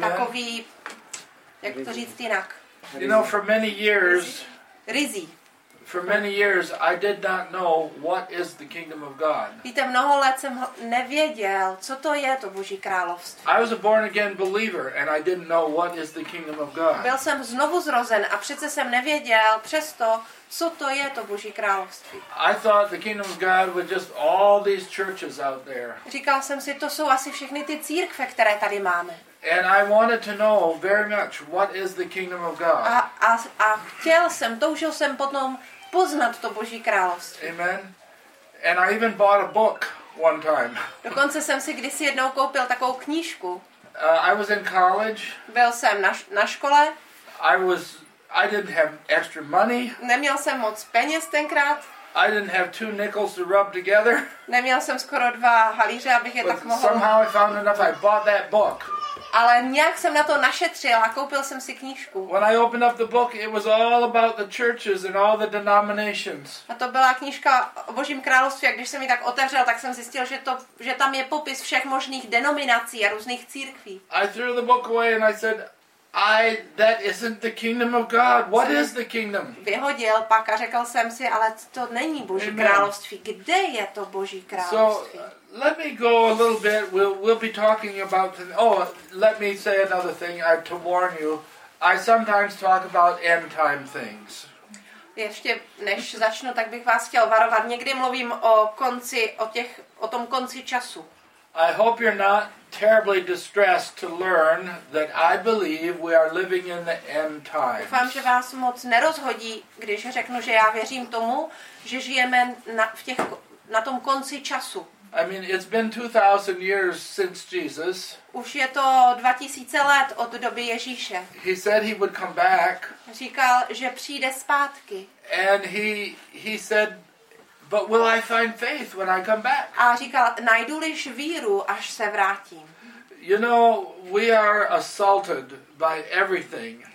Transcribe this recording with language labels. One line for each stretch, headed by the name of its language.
Czech: Takový, jak to říct jinak?
English: You know, for many years... Rizí. For many years I did not know what is the kingdom of God.
Czech: Víte, mnoho let jsem nevěděl, co to je to Boží království.
English: I was a born again believer and I didn't know what is the kingdom of God.
Czech: Byl jsem znovu zrozen a přece jsem nevěděl přesto, co to je to Boží království.
English: I thought the kingdom of God was just all these churches out there.
Czech: Říkal jsem si, to jsou asi všechny ty církve, které tady máme.
English: And I wanted to know very much what is the kingdom of God.
Czech: A chtěl jsem, toužil jsem potom poznat to Boží království.
English: Amen. And I even bought a book one time.
Czech: Dokonce jsem si kdysi jednou koupil takovou knížku.
English: I was in college.
Czech: Byl jsem na škole.
English: I didn't have extra money.
Czech: Neměl jsem moc peněz tenkrát.
English: I didn't have two nickels to rub together.
Czech: Neměl jsem skoro dva halíře, abych je
English: But
Czech: tak mohl.
English: Somehow I found enough. I bought that book.
Czech: Ale nějak jsem na to našetřil a koupil jsem si knížku.
English: When I opened up the book, it was all about the churches and all the denominations.
Czech: A to byla knížka o Božím království, a když jsem ji tak otevřel, tak jsem zjistil, že tam je popis všech možných denominací a různých církví.
English: I threw the book away and I said, that isn't the kingdom of God. What is the kingdom?
Czech: Vyhodil pak a řekl jsem si, ale to není Boží království. Kde je to Boží království?
English: Let me go a little bit. We'll be talking about. Let me say another thing. I have to warn you. I sometimes talk about end time things.
Czech: Ještě než začnu, tak bych vás chtěl varovat. Někdy mluvím o konci, o tom konci času.
English: I hope you're not terribly distressed to learn that I believe we are living in the end times.
Czech: Doufám, že vás moc nerozhodí, když řeknu, že já věřím tomu, že žijeme na tom konci času.
English: I mean, it's been 2,000 years since Jesus.
Czech: Už je to 2000 let od doby Ježíše.
English: He said he would come back.
Czech: Říkal, že přijde zpátky.
English: And he said, but will I find faith when I come back?
Czech: A říkal, najdu-liž víru, až se vrátím.
English: You know, we are assaulted by everything.